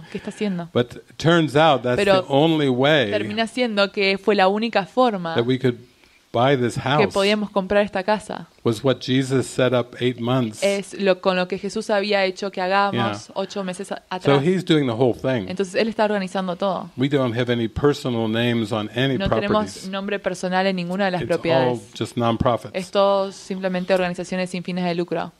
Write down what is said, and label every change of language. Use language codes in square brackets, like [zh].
[es] ¿Qué está haciendo? [en] But it turns out that's [es] pero [en] the only way [es] termina siendo que fue la única forma [en] that we could buy this house [es] que podíamos comprar esta casa. [en] Was what Jesus set up 8 months. [es] Es lo con lo que Jesús había hecho que hagamos 8 meses atrás. [en] So he's doing the whole thing. [es] Entonces él está organizando todo. [en] We don't have any personal names on any properties. [es] No tenemos nombre personal en ninguna de las propiedades. [en] It's all just non-profits. [es] Es todo simplemente organizaciones sin fines de lucro.